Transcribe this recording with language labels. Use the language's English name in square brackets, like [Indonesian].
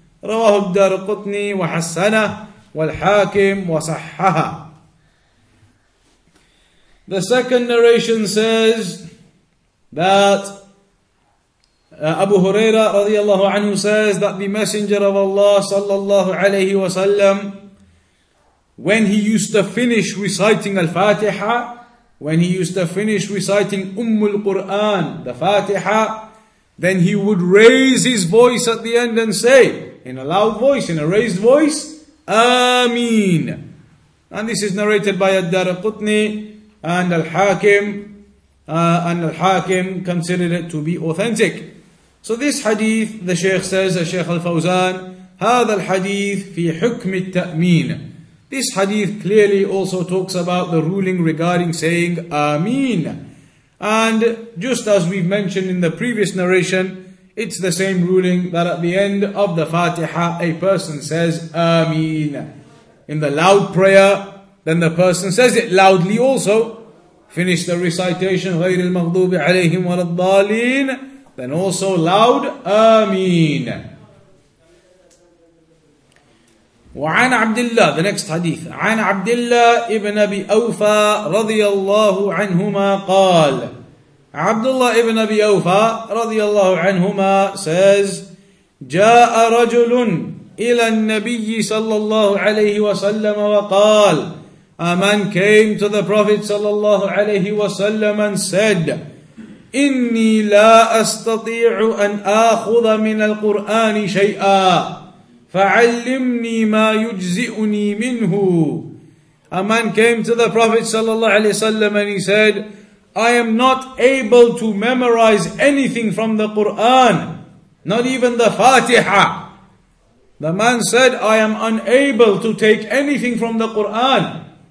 [Arabic] رواه الدارقطني وحسنه والحاكم وصححه. [English] The second narration says that Abu Huraira radiallahu anhu says that the Messenger of Allah sallallahu alayhi wa sallam, when he used to finish reciting Al-Fatiha, when he used to finish reciting Ummul Qur'an, the Fatiha, then he would raise his voice at the end and say, in a loud voice, in a raised voice, Ameen. And this is narrated by Ad-Darqutni and Al-Hakim, and Al-Hakim considered it to be authentic. So this hadith, the Shaykh says, the Shaykh Al-Fawzan, هذا الحديث في حكم التأمين. This hadith clearly also talks about the ruling regarding saying Ameen. And just as we've mentioned in the previous narration, it's the same ruling that at the end of the Fatiha, a person says Ameen. In the loud prayer, then the person says it loudly also. Finish the recitation, غير المغضوب عليهم ولا الضالين. Then also loud, Ameen. وعن عبد الله, the next hadith. [Arabic] عن عبد الله ابن أبي أوفى رضي الله عنهما قال. عبد الله ابن أبي أوفى رضي الله عنهما says, جاء رجل إلى النبي صلى الله عليه وسلم وقال. A man came to the Prophet صلى الله عليه وسلم and said, إني لا أستطيع أن آخذ من القرآن شيئا. فعلمني ما يجزئني منه. [English] A man came to the Prophet sallallahu alaihi wasallam and he said, I am not able to memorize anything from the Quran, not even the Fatiha. The man said, I am unable to take anything from the Quran.